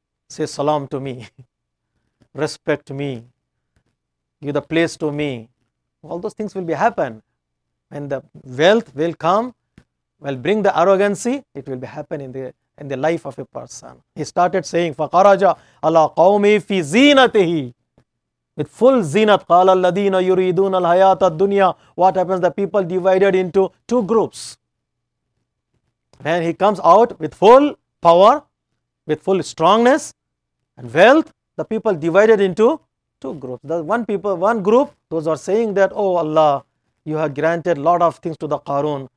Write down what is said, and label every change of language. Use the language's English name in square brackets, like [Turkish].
[English] Say salam to me. Respect me. Give the place to me. All those things will be happen. When the wealth will come, will bring the arrogancy, it will be happen in the life of a person. He started saying, [Arabic] فَقَرَجَ عَلَىٰ قَوْمِ فِي زِينَتِهِ. [English] With full zinat, [Arabic] قَالَ الَّذِينَ يُرِيدُونَ الْحَيَاةَ الدُّنْيَا. [English] What happens? The people divided into two groups. When he comes out with full power, with full strongness and wealth, the people divided into two groups. The one people, one group, those are saying that, oh Allah, you have granted a lot of things to the Qarun.